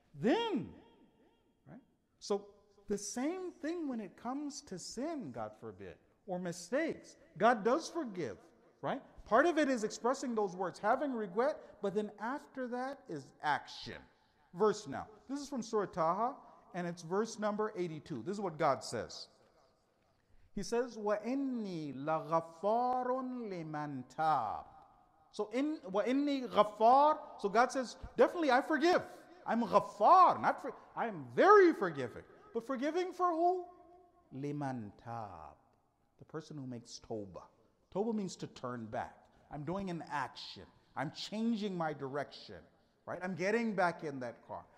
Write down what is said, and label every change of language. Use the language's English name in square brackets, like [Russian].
[English] Then, right? So the same thing when it comes to sin, God forbid, or mistakes, God does forgive, right? Part of it is expressing those words, having regret, but then after that is action. Verse now. This is from Surah Taha, and it's verse number 82. This is what God says. He says, [Arabic] وَإِنِّي لَغَفَّارٌ لِمَنْ تَابْ. So, وَإِنِّي غَفَّارٌ. [English] So God says, definitely I forgive. I'm غَفَّار. I am very forgiving. But forgiving for who? [Arabic] لِمَنْ تَابْ. [English] The person who makes tawbah. Tawbah means to turn back. I'm doing an action. I'm changing my direction. Right? I'm getting back in that car.